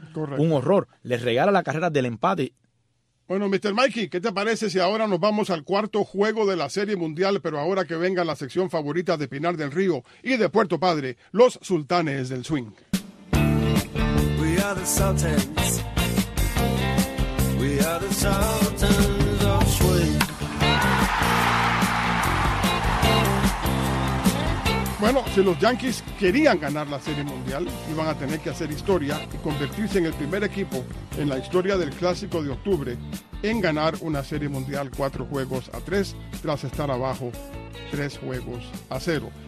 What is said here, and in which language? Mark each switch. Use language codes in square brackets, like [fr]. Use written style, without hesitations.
[es] Correcto. Un horror. Le regala la carrera del empate. Bueno, Mr. Mikey, ¿qué te parece si ahora nos vamos al cuarto juego de la Serie Mundial, pero ahora que venga la sección favorita de Pinar del Río y de Puerto Padre, los Sultanes del Swing? [en] We are the Sultans. We are the Sultans of Swing. [es] Bueno, si los Yankees querían ganar la Serie Mundial, iban a tener que hacer historia y convertirse en el primer equipo en la historia del Clásico de Octubre en ganar una Serie Mundial 4-3 tras estar abajo 3-0.